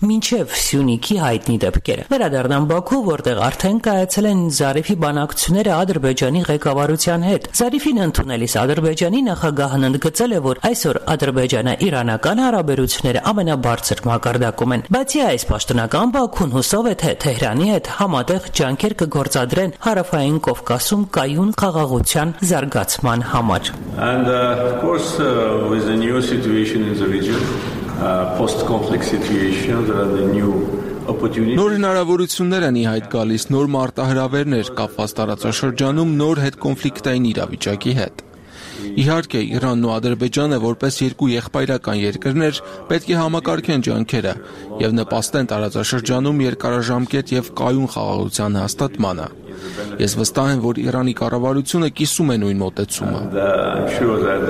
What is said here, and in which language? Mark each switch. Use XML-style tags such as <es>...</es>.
<hy>մինչև Սյունիքի հայտնի դեպքերը։ Վերադառնամ Բաքու, որտեղ արդեն կայացել են Զարիֆի բանակցությունները Ադրբեջանի ղեկավարության հետ։ Զարիֆին ընդունելիս Ադրբեջանի նախագահն ընդգծել է, որ այսօր Ադրբեջանը իրանական հարաբերությունները ամենաբարձր մակարդակում են։ Բացի այս, պաշտոնական Բաքուն հուսով է, թե Թեհրանի հետ համատեղ ջանքեր կգործադրեն հարավային Կովկասում կայուն խաղաղության զարգացման համար։</hy> <en>And of course with the new situation in the region, post-conflict situation, there are the new opportunities.</en> <hy>Նոր հնարավորություններ են իհայտ գալիս, նոր մարտահրավերներ կապված տարածաշրջանում նոր հետ կոնֆլիկտային իրավիճակի հետ։ Իհարկե, Իրանն ու Ադրբեջանը որպես երկու եղբայրական երկրներ պետք է համակարգեն ջանքերը և նպաստեն տարածաշրջանում երկարաժամկետ և կայուն խաղաղության հաստատմանը։ Ես վստահ եմ, որ Իրանի կառավարությունը կիսում է նույն մոտեցումը։</hy>